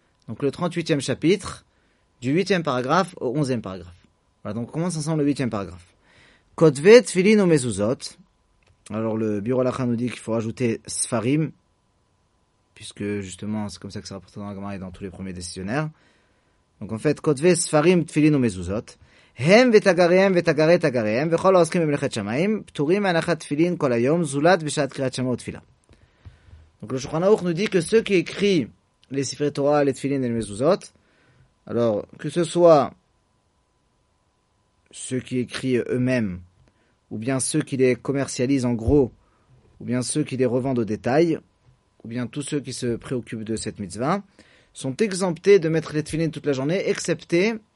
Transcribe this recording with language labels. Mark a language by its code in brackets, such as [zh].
[fr] Donc le 38e chapitre, du 8e paragraphe au 11e paragraphe. Voilà, donc on commence ensemble le 8e paragraphe. [he] Kotvet Tfilin o Mezuzot. [fr] Alors le Bureau Lacha nous dit qu'il faut rajouter Sfarim, puisque justement c'est comme ça que c'est rapporté dans la Gemara et dans tous les premiers décisionnaires. Donc en fait, [he] Kotvet Sfarim Tfilin o Mezuzot. הם ותגריהם ותגרי תגריהם וכל העוסקים במלאכת שמיים פטורים מהנחת תפילין כל היום זולת בשעת קריאת שמע ותפילה. [fr] Donc le Shulchan Aruch nous dit que ceux qui écrivent les Sifrei Torah, les Tfilin et les Mezuzot, alors que ce soit ceux qui écrivent eux-mêmes ou bien ceux qui les commercialisent en gros ou bien ceux qui les revendent au détail ou bien tous ceux qui se préoccupent de cette mitzvah sont exemptés de mettre les Tfilin toute la journée excepté